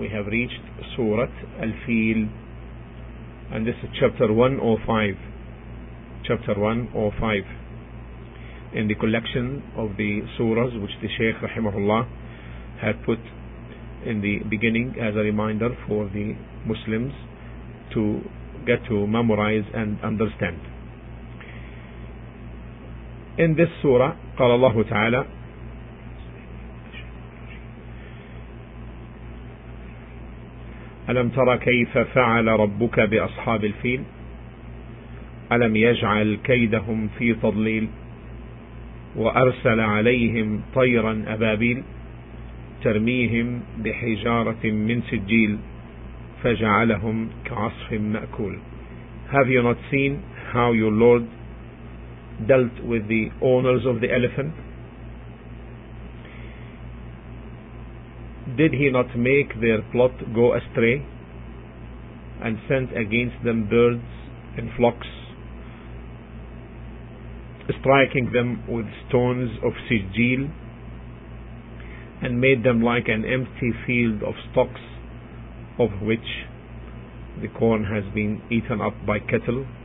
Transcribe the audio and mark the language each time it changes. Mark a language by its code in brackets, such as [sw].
[en] We have reached Surah Al-Fil, and this is chapter 105 in the collection of the surahs which the Shaykh rahimahullah had put in the beginning as a reminder for the Muslims to get to memorize and understand. In this surah, [ar] قال الله تعالى ألم ترى كيف فعل ربك بأصحاب الفيل ألم يجعل كيدهم في تضليل وأرسل عليهم طيرا أبابيل ترميهم بحجارة من سجيل فجعلهم كعصف مأكول. [en] Have you not seen how your Lord dealt with the owners of the elephant? Did he not make their plot go astray and sent against them birds and flocks, striking them with stones of sijil, and made them like an empty field of stalks of which the corn has been eaten up by cattle?